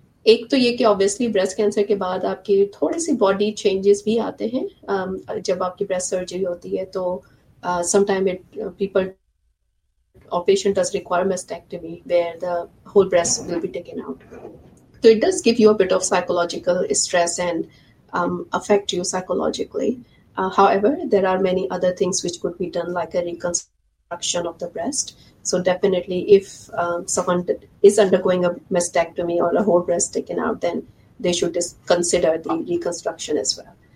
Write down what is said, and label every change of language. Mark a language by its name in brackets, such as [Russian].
[Urdu] ایک تو یہ کہ آبویسلی بریسٹ کینسر کے بعد آپ کی تھوڑی سی باڈی چینجز بھی آتے ہیں. جب آپ کی بریسٹ سرجری ہوتی ہے [English] تو some time it people اور patient does require mastectomy where the whole breast will be taken out. [Urdu] تو [English] It does give you a bit of psychological stress and affect you psychologically. However there are many other things which could be done like a reconstruction of the breast. So definitely if someone is undergoing a mastectomy or a whole breast taken out, then they should just consider the reconstruction as well.